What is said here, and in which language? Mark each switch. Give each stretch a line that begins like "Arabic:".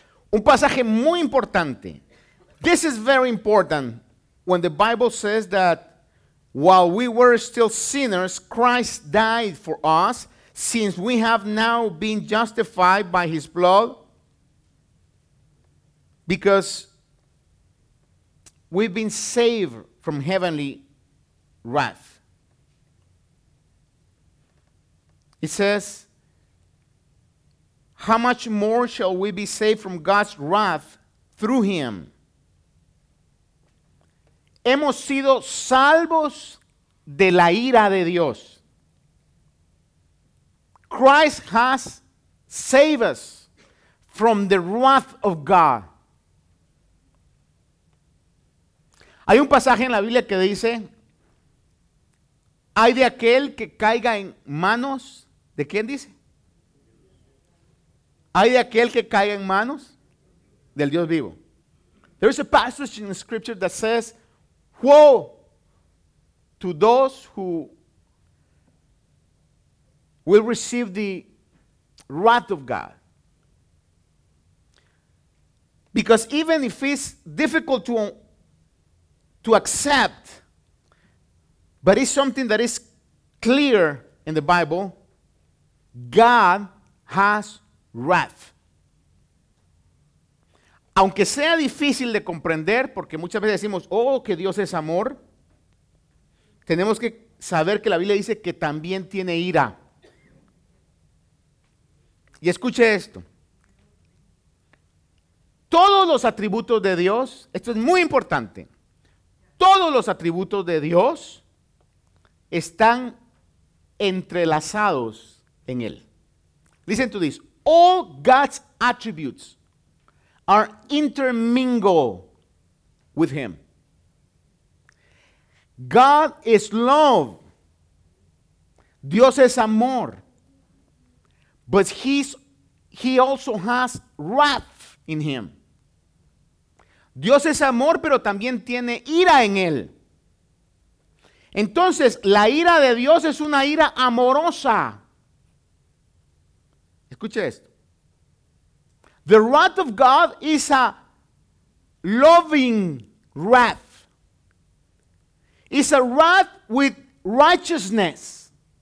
Spanish: Un pasaje muy importante.
English: This is very important when the Bible says that while we were still sinners, Christ died for us. Since we have now been justified by his blood, because we've been saved from heavenly wrath. It says, how much more shall we be saved from God's wrath through him?
Spanish: Hemos sido salvos de la ira de Dios.
English: Christ has saved us from the wrath of God.
Spanish: Hay un pasaje en la Biblia que dice, hay de aquel que caiga en manos, ¿de quién dice? Hay de aquel que caiga en manos del Dios vivo.
English: There is a passage in the scripture that says, woe to those who will receive the wrath of God. Because even if it's difficult to accept, but it's something that is clear in the Bible, God has wrath.
Spanish: Aunque sea difícil de comprender, porque muchas veces decimos, oh, que Dios es amor, tenemos que saber que la Biblia dice que también tiene ira. Y escuche esto. Todos los atributos de Dios, esto es muy importante. Todos los atributos de Dios están entrelazados en él.
English: Listen to this. All God's attributes are intermingled with him. God is love. Dios es amor. But he also has wrath in him.
Spanish: Dios es amor, pero también tiene ira en él. Entonces, la ira de Dios es una ira amorosa. Escuche esto.
English: The wrath of God is a loving wrath. It's a wrath with righteousness.